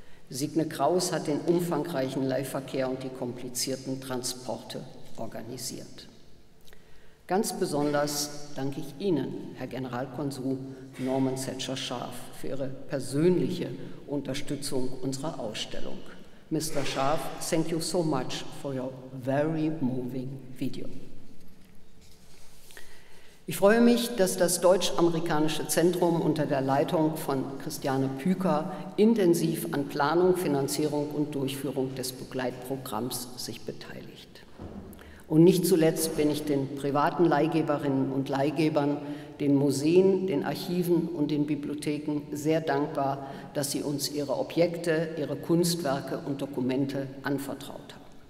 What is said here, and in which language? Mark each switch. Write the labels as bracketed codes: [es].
[de] Signe Kraus hat den umfangreichen Leihverkehr und die komplizierten Transporte organisiert. Ganz besonders danke ich Ihnen, Herr Generalkonsul Norman Thatcher-Scharf, für Ihre persönliche Unterstützung unserer Ausstellung. [en] Mr. Scharf, thank you so much for your very moving video. [de] Ich freue mich, dass das Deutsch-Amerikanische Zentrum unter der Leitung von Christiane Püker intensiv an Planung, Finanzierung und Durchführung des Begleitprogramms sich beteiligt. Und nicht zuletzt bin ich den privaten Leihgeberinnen und Leihgebern, den Museen, den Archiven und den Bibliotheken sehr dankbar, dass sie uns ihre Objekte, ihre Kunstwerke und Dokumente anvertraut haben.